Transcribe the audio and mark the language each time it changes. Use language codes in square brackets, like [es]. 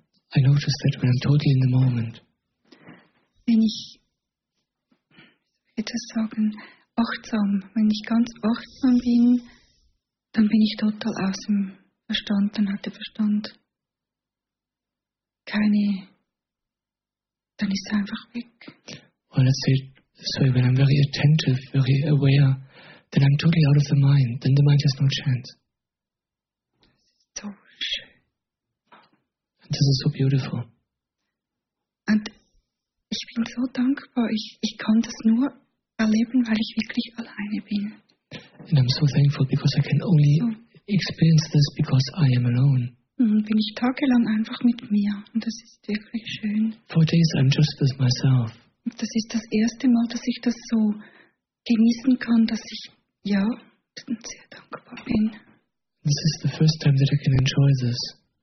[en] I noticed that when I'm totally in the moment. [de] Wenn ich etwas sagen, achtsam, wenn ich ganz achtsam bin, dann bin ich total aus dem Verstand, dann hat der Verstand keine, dann ist er einfach weg. [en] Well, let's say it this way, when I'm very attentive, very aware, then I'm totally out of the mind, then the mind has no chance. This is so beautiful. [de] Und ich bin so dankbar. Ich kann das nur erleben, weil ich wirklich alleine bin. [en] And I'm so thankful because I can only experience this because I am alone. [de] Und bin ich tagelang einfach mit mir. Und das ist wirklich schön. [en] For days I'm just with myself. [de] Und das ist das erste Mal, dass ich das so genießen kann, dass ich, ja, sehr dankbar bin. [en] This is the first time that I can enjoy this.